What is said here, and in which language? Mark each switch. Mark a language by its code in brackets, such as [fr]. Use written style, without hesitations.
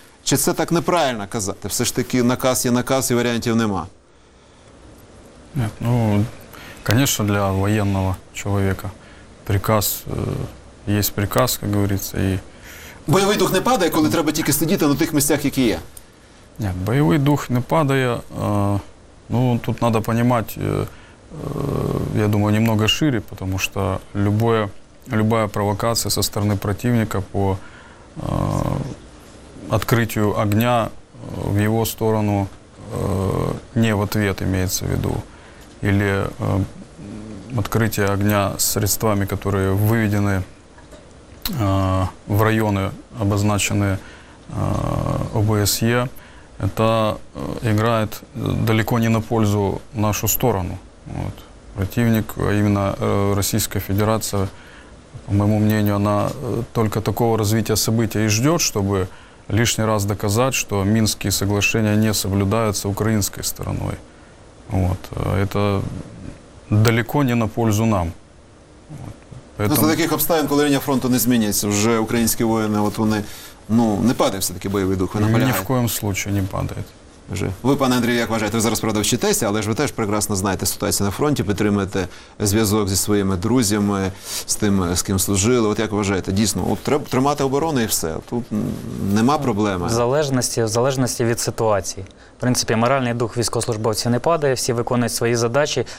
[uk] Чи це так неправильно казати? Все ж таки наказ є наказ і варіантів нема. Ну, звісно, для воєнного чоловіка приказ, є приказ, як говориться. І... Бойовий дух не падає, коли треба тільки сидіти на тих місцях, які є? Ні, бойовий дух не падає. Ну, тут треба розуміти, я думаю, [ru] немного шире, потому что любая провокация со стороны противника по открытию огня в его сторону не в ответ имеется в виду, или открытие огня средствами, которые выведены в районы, обозначенные ОБСЕ, это играет далеко не на пользу нашу сторону. Вот. Противник, а именно Российская Федерация, по моему мнению, она только такого развития событий и ждет, чтобы лишний раз доказать, что Минские соглашения не соблюдаются украинской стороной. Вот. Это далеко не на пользу нам. Вот. Поэтому... За таких обстоятельств, когда линия фронта не изменится, уже украинские воины, вот они, ну, не падает все-таки боевый дух? Ни в коем случае не падает. [uk] Вже. Ви, пане Андрію, як вважаєте, ви зараз, правда, вчитеся, але ж ви теж прекрасно знаєте ситуацію на фронті, підтримуєте зв'язок зі своїми друзями, з тим, з ким служили. От як вважаєте, дійсно, от треба тримати оборону і все. Тут нема проблеми. В залежності від ситуації. В принципі, моральний дух військовослужбовців не падає, всі виконують свої задачі.